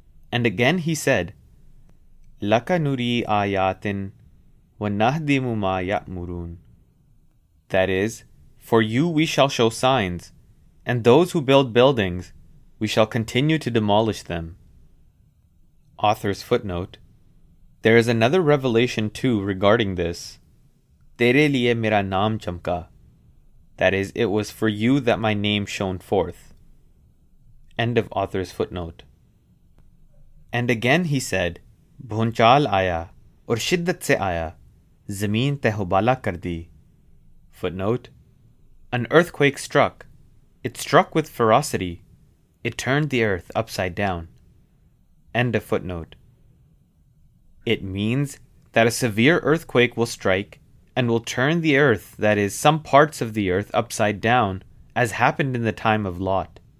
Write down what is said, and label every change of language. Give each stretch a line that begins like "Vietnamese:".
English: And again he said,
Arabic: Laka nuri ayatin wa nahdimu ma ya'murun.
English: That is, for you we shall show signs, and those who build buildings, we shall continue to demolish them. Author's footnote: there is another revelation too regarding this.
Urdu: تیرے لیے میرا نام چمکا۔
English: That is, it was for you that my name shone forth. End of author's footnote. And again he said,
Urdu: بھونچال آیا، اور شدت سے آیا، زمین تہ و بالا کر دی۔
English: Footnote: an earthquake struck. It struck with ferocity. It turned the earth upside down. End of footnote. It means that a severe earthquake will strike and will turn the earth, that is, some parts of the earth, upside down, as happened in the time of Lot.